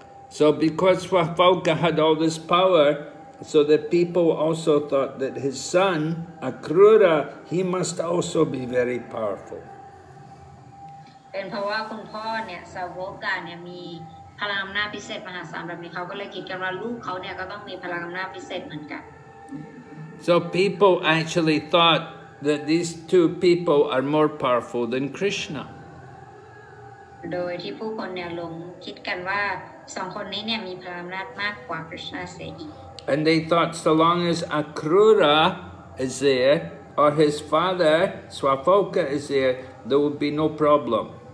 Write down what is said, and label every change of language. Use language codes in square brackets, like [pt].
[en] So because Swafauka had all this power, so the people also thought that his son, Akrura, he must also be very powerful. [th] เป็นเพราะว่าคุณพ่อเนี่ยสาวโวกาเนี่ยมีพลังอำนาจพิเศษมหาศาลแบบนี้เขาก็เลยคิดกันว่าลูกเขาเนี่ยก็ต้องมีพลังอำนาจพิเศษเหมือนกัน [en] So people actually thought that these two people are more powerful than Krishna [th] โดยที่ผู้คนเนี่ยลงคิดกันว่าสองคนนี้เนี่ยมีพลังอำนาจมากกว่า Krishna เสียอีก [en] And they thought so long as Akrura is there or his father Swafauka is thereThere would be no problem.